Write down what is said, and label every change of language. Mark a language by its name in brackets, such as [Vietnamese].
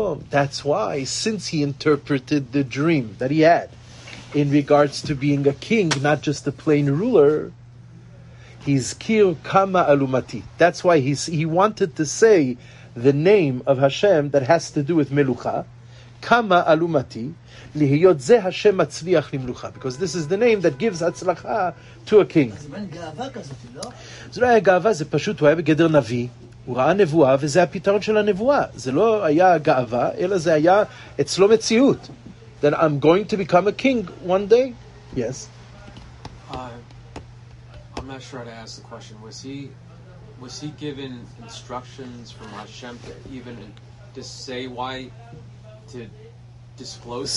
[English] That's why, since he interpreted the dream that he had in regards to being a king, not just a plain ruler, he's [Hebrew] kir kama alumati. [English] That's why he wanted to say the name of Hashem that has to do with melucha, [Hebrew] kama alumati, lihiyot ze Hashem atzliach limlucha, [English] because this is the name that gives atzlacha to a king. [Hebrew] Zraya gava ze pashut hu haya geder navi. הוא ראה נבואה, וזה הפתרון של הנבואה. זה לא היה גאווה, אלא זה היה אצלו מציאות. [English] Then I'm going to become a king one day? Yes. I'm not sure how to ask the question. Was he given instructions from Hashem to even to say why, to disclose?